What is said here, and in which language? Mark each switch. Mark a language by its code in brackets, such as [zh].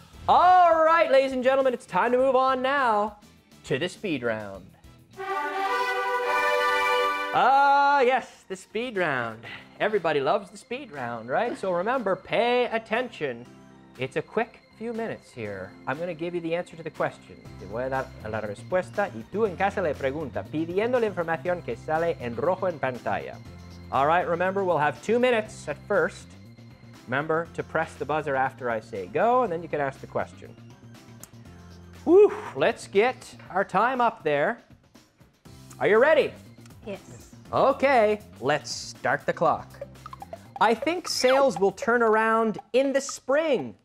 [en] All right, ladies and gentlemen, it's time to move on now to the speed round. Yes, the speed round. Everybody loves the speed round, right? So remember, pay attention. It's a quick few minutes here. I'm going to give you the answer to the question. [es] Te voy a dar la respuesta y tú en casa le pregunta, pidiendo la información que sale en rojo en pantalla. [en] All right, remember, we'll have 2 minutes at first. Remember to press the buzzer after I say go, and then you can ask the question. Whew, let's get our time up there. Are you ready? Yes. Okay, let's start the clock. I think sales will turn around in the spring.